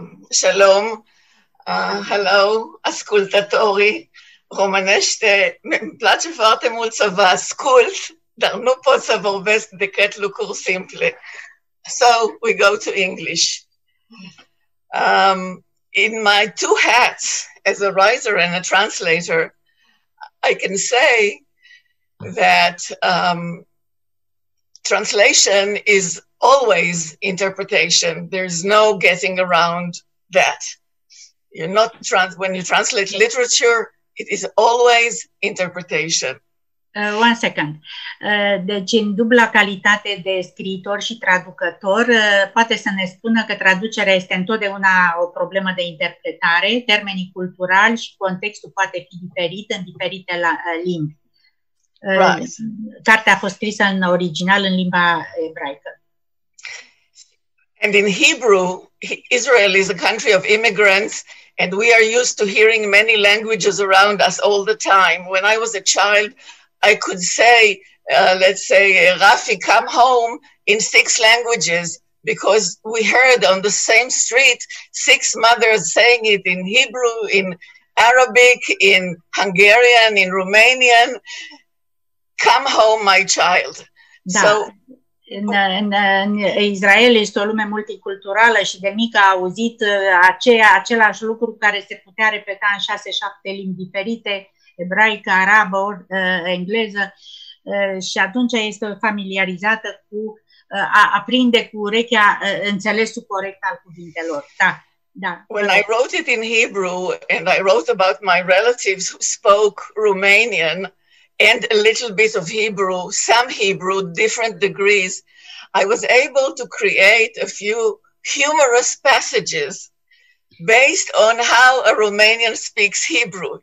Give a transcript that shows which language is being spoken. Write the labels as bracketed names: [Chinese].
[Romanian] Shalom, hello, ascultătorii românește, îmi place foarte mult să vă ascult, dar nu pot să vorbesc decât lucruri simple. [English] So, we go to English. In my two hats as a writer and a translator, I can say that translation is always interpretation. There's no getting around that. You're not when you translate literature, it is always interpretation. One second. [Romanian] Deci, în dubla calitate de scriitor și traducător, poate să ne spună că traducerea este întotdeauna o problemă de interpretare, termenii culturali și contextul poate fi diferit în diferite limbi. [English] Right. [Romanian] Cartea a fost scrisă în original în limba ebraică. [English] And in Hebrew, Israel is a country of immigrants. And we are used to hearing many languages around us all the time. When I was a child, I could say, Rafi, come home in six languages, because we heard on the same street six mothers saying it in Hebrew, in Arabic, in Hungarian, in Romanian. Come home, my child. [Romanian] Da. So, în Israel este o lume multiculturală și de mică a auzit același lucru care se putea repeta în 6-7 limbi diferite, ebraică, arabă, engleză, și atunci este familiarizată cu a prinde cu urechea înțelesul corect al cuvintelor. Da. Da. [English] When I wrote it in Hebrew and I wrote about my relatives who spoke Romanian and a little bit of Hebrew, some Hebrew, different degrees, I was able to create a few humorous passages based on how a Romanian speaks Hebrew.